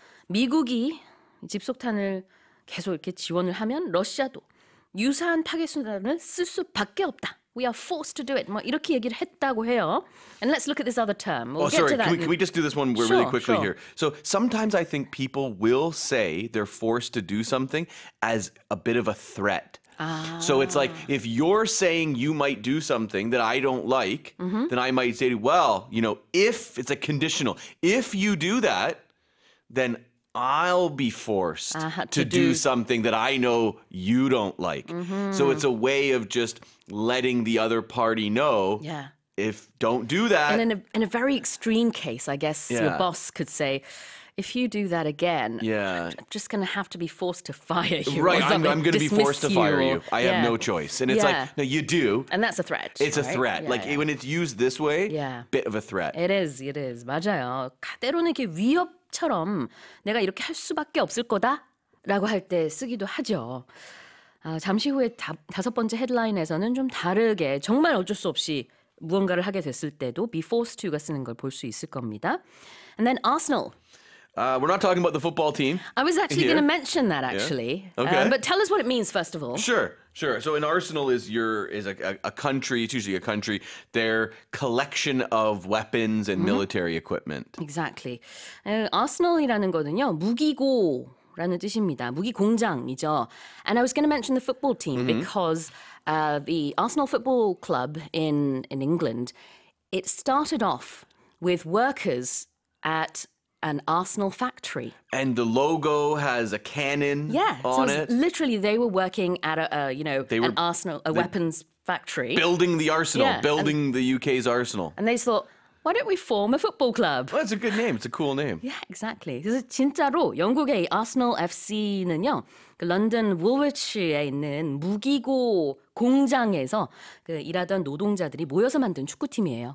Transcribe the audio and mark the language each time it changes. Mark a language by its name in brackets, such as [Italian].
[Korean] 미국이 집속탄을 계속 이렇게 지원을 하면 러시아도 유사한 파괴 수단을 쓸 수밖에 없다. [English] We are forced to do it. [Korean] 뭐 이렇게 얘기를 했다고 해요. [English] And let's look at this other term. Can we just do this one really quickly here? So sometimes I think people will say they're forced to do something as a bit of a threat. So it's like if you're saying you might do something that I don't like, then I might say, well, you know, if it's a conditional, if you do that, then I'll be forced to do something that I know you don't like. Mm-hmm. So it's a way of just letting the other party know, if don't do that. And in a very extreme case, I guess your boss could say, if you do that again, I'm just going to have to be forced to fire you. Right, I'm going to be forced to fire you. I have no choice. And it's like, no, you do. And that's a threat. It's right? a threat. Yeah, like when it's used this way, bit of a threat. It is. [Korean] 맞아요. 때로는 이렇게 위협 처럼 내가 이렇게 할 수밖에 없을 거다라고 할 때 쓰기도 하죠. 잠시 후에 다섯 번째 헤드라인에서는 좀 다르게 정말 어쩔 수 없이 무언가를 하게 됐을 때도 be forced to가 쓰는 걸 볼 수 있을 겁니다. [English] And then Arsenal. We're not talking about the football team. I was actually going to mention that actually. Yeah. Okay. But tell us what it means first of all. Sure. So an arsenal is a country. It's usually a country. Their collection of weapons and military equipment. [Korean] Exactly. Arsenal이라는 거는요 무기고라는 뜻입니다. 무기 공장이죠. [English] And I was going to mention the football team because the Arsenal football club in England, it started off with workers at an Arsenal factory. And the logo has a cannon on it. Literally, they were working at a weapons factory. Building the arsenal, the UK's arsenal. And they thought, why don't we form a football club? Well, that's a good name. It's a cool name. Yeah, exactly. [Korean] 그래서 진짜로 영국의 Arsenal FC는요, 그 런던 울버치에 있는 무기고 공장에서 그 일하던 노동자들이 모여서 만든 축구팀이에요.